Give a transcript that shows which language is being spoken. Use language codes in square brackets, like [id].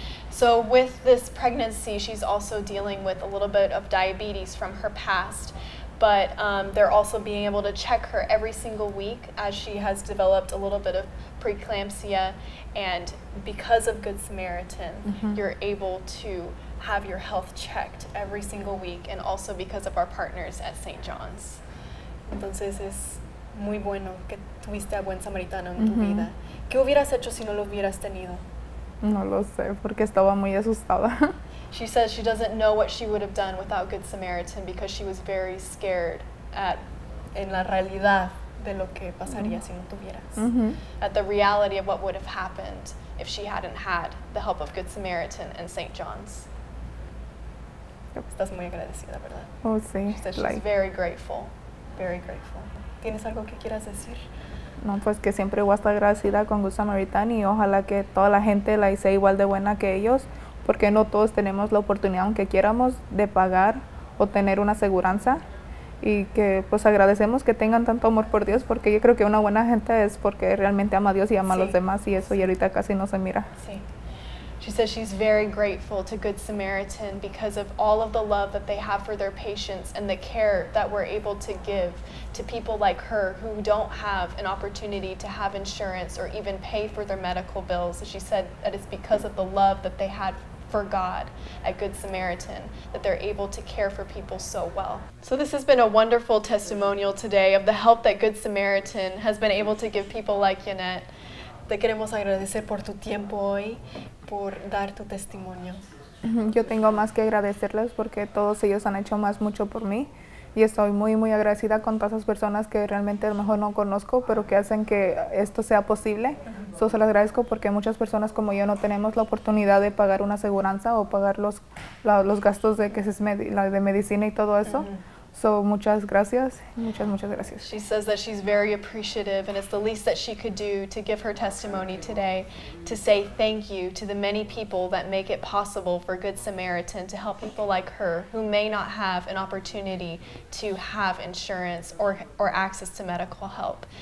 [en] So with this pregnancy, she's also dealing with a little bit of diabetes from her past, but they're also being able to check her every single week as she has developed a little bit of preeclampsia, and because of Good Samaritan, you're able to have your health checked every single week, and also because of our partners at St. John's. [es] Entonces es muy bueno que tuviste a Buen Samaritano en tu vida. ¿Qué hubieras hecho si no lo hubieras tenido? No lo sé, porque estaba muy asustada. [en] She says she doesn't know what she would have done without Good Samaritan because she was very scared at [es] En la realidad de lo que pasaría si no tuvieras. [en] At the reality of what would have happened if she hadn't had the help of Good Samaritan and St. John's. [es] Estás muy agradecida, ¿verdad? Oh, sí, [en] She says she's very grateful. Very grateful. [es] ¿Tienes algo que quieras decir? No, pues que siempre voy a estar agradecida con Good Samaritan y ojalá que toda la gente la hice igual de buena que ellos, porque no todos tenemos la oportunidad, aunque quieramos, de pagar o tener una aseguranza. Y que pues agradecemos que tengan tanto amor por Dios, porque yo creo que una buena gente es porque realmente ama a Dios y ama a los demás, y eso, y ahorita casi no se mira. [en] She says she's very grateful to Good Samaritan because of all of the love that they have for their patients and the care that we're able to give to people like her who don't have an opportunity to have insurance or even pay for their medical bills. She said that it's because of the love that they had for God at Good Samaritan that they're able to care for people so well. So this has been a wonderful testimonial today of the help that Good Samaritan has been able to give people like Yanet. [es] Te queremos agradecer por tu tiempo hoy, por dar tu testimonio. Yo tengo más que agradecerles porque todos ellos han hecho más mucho por mí, y estoy muy, muy agradecida con todas esas personas que realmente a lo mejor no conozco, pero que hacen que esto sea posible. Se lo agradezco porque muchas personas como yo no tenemos la oportunidad de pagar una aseguranza o pagar los gastos de que es de medicina y todo eso. So, muchas gracias, muchas, muchas gracias. [en] She says that she's very appreciative, and it's the least that she could do to give her testimony today, to say thank you to the many people that make it possible for Good Samaritan to help people like her who may not have an opportunity to have insurance or access to medical help.